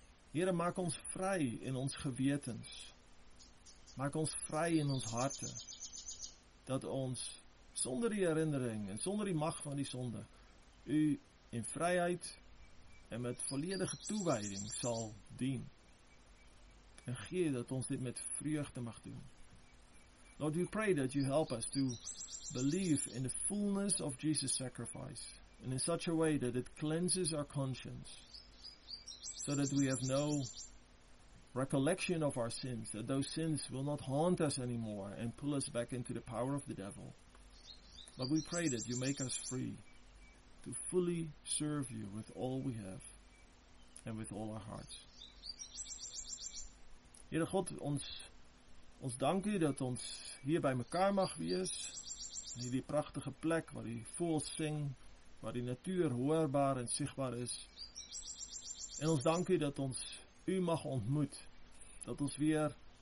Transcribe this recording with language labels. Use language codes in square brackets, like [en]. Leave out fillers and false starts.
[af] Heere, maak ons vrij in ons gewetens. Maak ons vrij in ons harten. Dat ons zonder die herinnering en zonder die macht van die zonde u in vrijheid en met volledige toewijding zal dienen. En geef dat ons dit met vreugde mag doen. [en] Lord, we pray that you help us to believe in the fullness of Jesus' sacrifice and in such a way that it cleanses our conscience so that we have no recollection of our sins, that those sins will not haunt us anymore and pull us back into the power of the devil. But we pray that you make us free to fully serve you with all we have and with all our hearts. [af] Heere God, ons dank u dat ons hier bij elkaar mag wees. In die prachtige plek waar die vogels zingen, waar die natuur hoorbaar en zichtbaar is. En ons dank u dat ons u mag ontmoet. Dat ons weer